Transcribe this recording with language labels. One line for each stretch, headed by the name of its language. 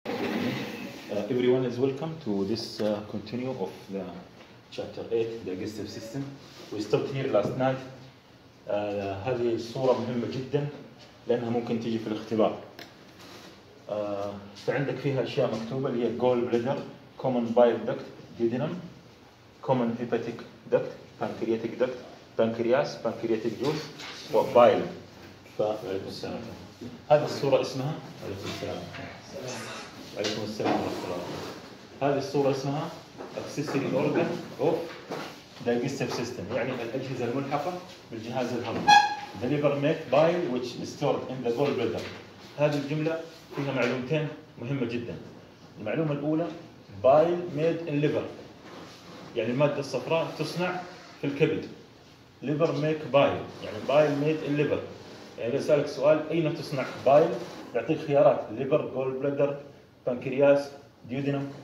English: Everyone is welcome to this continue of the chapter 8, digestive system. We stopped here last night.
Arabic: هذه الصورة مهمة جدا لأنها ممكن تيجي في الاختبار. عندك فيها أشياء مكتوبة اللي هي gall bladder, common bile duct, duodenum, common hepatic duct, pancreatic duct, pancreas, pancreatic juice, و bile. وعليكم السلام. هذه الصورة اسمها؟ وعليكم السلام. عليكم السلام ورحمة الله. هذه الصورة اسمها accessory organ of digestive system, يعني الأجهزة الملحقة بالجهاز الهضمي.
English: The liver made bile which is stored in the gallbladder.
Arabic: هذه الجملة فيها معلومتين مهمة جدا. المعلومة الأولى
English: bile made in liver,
Arabic: يعني المادة الصفراء تصنع في الكبد.
English: Liver make bile,
Arabic: يعني
English: bile made in liver.
Arabic: يعني إذا سألك سؤال أين تصنع bile, يعطيك خيارات liver, gallbladder, بانكرياس، ديودينم.